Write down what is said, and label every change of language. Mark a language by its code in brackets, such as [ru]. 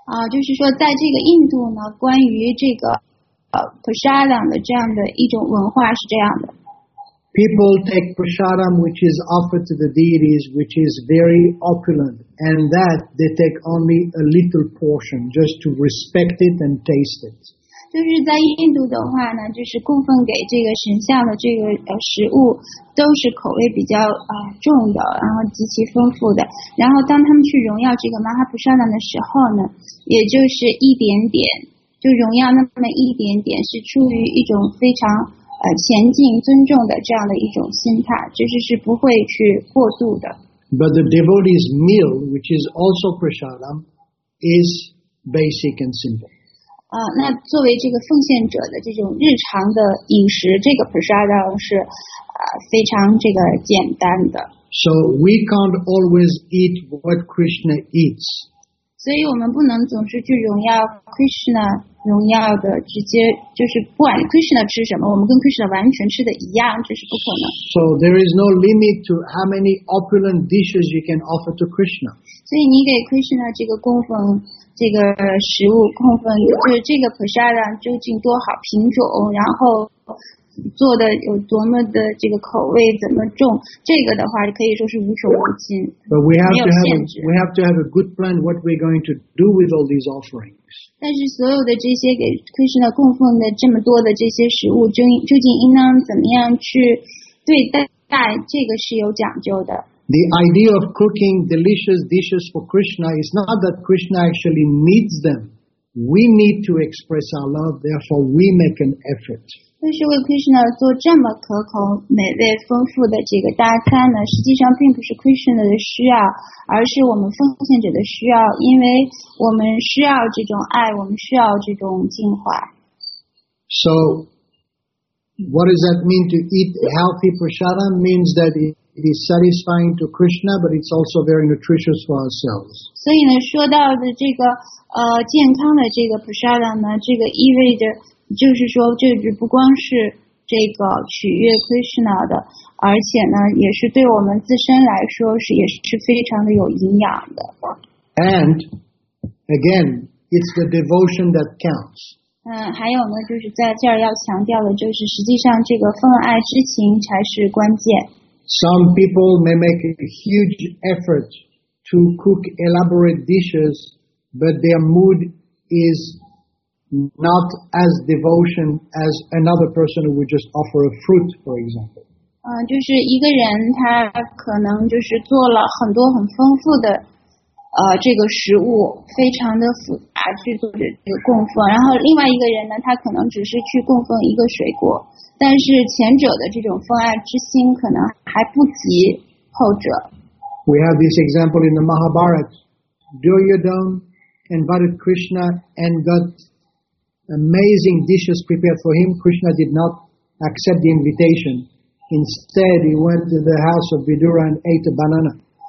[zh] 就是说在这个印度呢，关于这个prasadam 的这样的一种文化是这样的。 [en] people take prasadam, which is offered to the deities, which is very opulent, and that they take only a little portion, just to respect it and taste it. [zh] 就是在印度的话呢，就是供奉给这个神像的这个食物，都是口味比较重的，然后极其丰富的。然后当他们去荣耀这个玛哈普沙兰的时候呢，也就是一点点，就荣耀那么一点点，是出于一种非常前进尊重的这样的一种心态，就是是不会去过度的。 [en] But the devotee's meal, which is also prasadam, is basic and simple. [zh] 那作为这个奉献者的这种日常的饮食，这个 prasadam 是非常这个简单的。 [en] So we can't always eat what Krishna eats. [zh] 所以我们不能总是去荣耀 Krishna， 荣耀的直接就是不管 Krishna 吃什么，我们跟 Krishna 完全吃的一样，这是不可能。 [en] So there is no limit to how many opulent dishes you can offer to Krishna. [zh] 所以你给 Krishna 这个供奉。这个食物供奉就是这个 prasadam 究竟多好品种，然后做的有多么的这个口味怎么重，这个的话可以说是无穷无尽。 [en] But we have to have a good plan what we're going to do with all these offerings. [zh] 但是所有的这些给 Krishna 供奉的这么多的这些食物，究竟应当怎么样去对待，这个是有讲究的。 [en] The idea of cooking delicious dishes for Krishna is not that Krishna actually needs them. We need to express our love, therefore we make an effort. [zh] 但是为 Krishna 做这么可口、美味、丰富的这个大餐呢，实际上并不是 Krishna 的需要，而是我们奉献者的需要，因为我们需要这种爱，我们需要这种敬怀。 [en] So, what does that mean to eat healthy prasadam? Means that it is satisfying to Krishna, but it's also very nutritious for ourselves. [zh] 所以呢，说到的这个健康的这个 prasadam 呢，这个意味着就是说，这个不光是这个取悦 Krishna 的，而且呢，也是对我们自身来说是也是非常的有营养的。 [en] And again, it's the devotion that counts. [zh] 还有呢，就是在这儿要强调的，就是实际上这个奉爱之情才是关键。 [en] Some people may make a huge effort to cook elaborate dishes, but their mood is not as devotion as another person who would just offer a fruit, for example. [zh] 就是一个人他可能就是做了很多很丰富的这个食物，非常的复杂去做这个供奉，然后另外一个人呢，他可能只是去供奉一个水果，但是前者的这种奉爱之心可能还不及后者。 [en] We have this example in the Mahabharata. Duryodhana invited Krishna and got amazing dishes prepared for him. Krishna did not accept the invitation. Instead, he went to the house of Vidura and ate a banana.